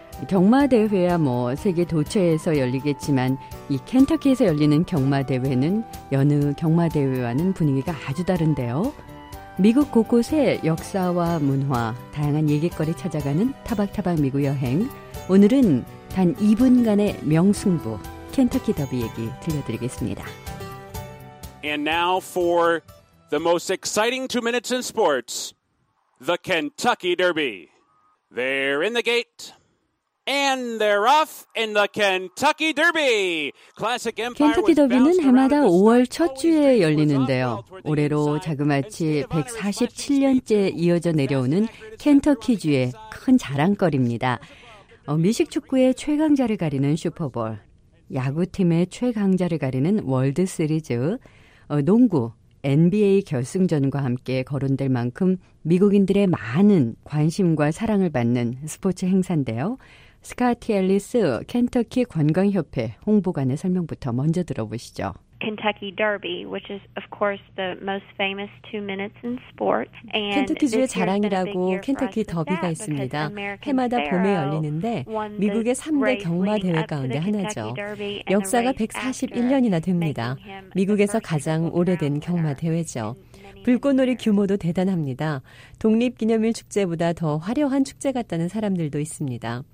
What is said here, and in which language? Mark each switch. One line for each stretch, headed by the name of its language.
Korean: 경마대회야 뭐 세계 도처에서 열리겠지만 이 켄터키에서 열리는 경마대회는 여느 경마대회와는 분위기가 아주 다른데요. 미국 곳곳의 역사와 문화, 다양한 얘기거리 찾아가는 타박타박 미국 여행. 오늘은 단 2분간의 명승부, 켄터키 더비 얘기 들려드리겠습니다.
English: And now for the most exciting 2 minutes in sports, the Kentucky Derby. They're in the gate. And they're off in the Kentucky Derby. Classic Empire.
Korean: 켄터키 더비는 해마다 5월 첫 주에 열리는데요. 올해로 자그마치 147년째 이어져 내려오는 켄터키주의 큰 자랑거리입니다. 미식 축구의 최강자를 가리는 슈퍼볼, 야구팀의 최강자를 가리는 월드 시리즈, 농구, NBA 결승전과 함께 거론될 만큼 미국인들의 많은 관심과 사랑을 받는 스포츠 행사인데요. 스카티 앨리스 켄터키 관광협회 홍보관의 설명부터 먼저 들어보시죠.
English: Kentucky Derby, which is of course the most famous 2 minutes in sport.
Korean: 켄터키주의 자랑이라고 켄터키 더비가 있습니다. 해마다 봄에 열리는데 미국의 3대 경마 대회 가운데 하나죠. 역사가 141년이나 됩니다. 미국에서 가장 오래된 경마 대회죠. 불꽃놀이 규모도 대단합니다. 독립기념일 축제보다 더 화려한 축제 같다는 사람들도 있습니다.